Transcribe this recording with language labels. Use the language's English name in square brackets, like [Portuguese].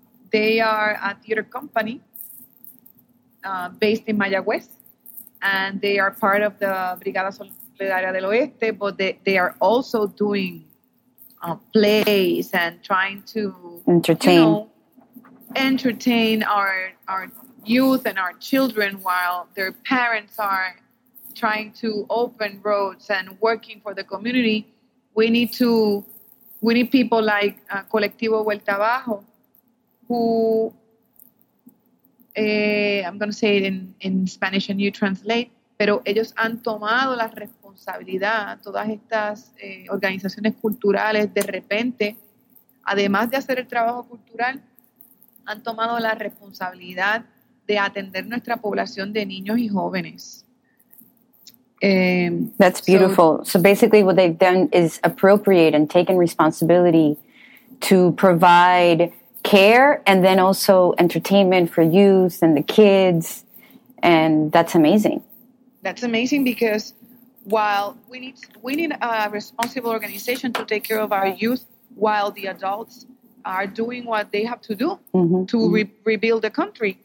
[English] They are a theater company based in Mayagüez, and they are part of the Brigada Solidaria del Oeste, but they are also doing plays and trying to entertain, you know, entertain our youth and our children while their parents are trying to open roads and working for the community. We need people like Colectivo Vuelta Abajo, who, I'm going to say it in Spanish and you translate, [Spanish] pero ellos han tomado la responsabilidad, todas estas organizaciones culturales, de repente, además de hacer el trabajo cultural, han tomado la responsabilidad de atender nuestra población de niños y jóvenes. [English] That's beautiful. So basically what they've done is appropriate and taken responsibility to provide care and then also entertainment for youth and the kids. And that's amazing. That's amazing, because while we need a responsible organization to take care of our youth while the adults are doing what they have to do to rebuild the country.